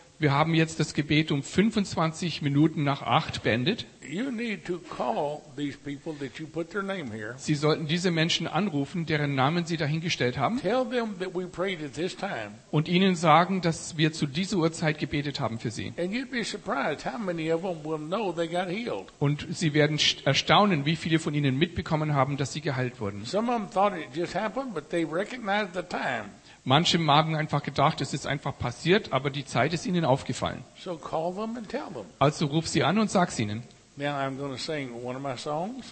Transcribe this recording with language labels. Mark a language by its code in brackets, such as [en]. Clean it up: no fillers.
[de] Wir haben jetzt das Gebet um 25 Minuten nach 8 beendet. [en] You need to call these people that you put their name here. [de] Sie sollten diese Menschen anrufen, deren Namen sie dahingestellt haben. [en] Tell them that we prayed at this time. [de] Und ihnen sagen, dass wir zu dieser Uhrzeit gebetet haben für sie. [en] And you'd be surprised how many of them will know they got healed. [de] Und sie werden erstaunen, wie viele von ihnen mitbekommen haben, dass sie geheilt wurden. [en] Some of them thought it just happened, but they recognized the time. [de] Manche haben einfach gedacht, es ist einfach passiert, aber die Zeit ist ihnen aufgefallen. [en] So call them and tell them. [de] Also ruf sie an und sag es ihnen. [en] Now I'm gonna sing one of my songs.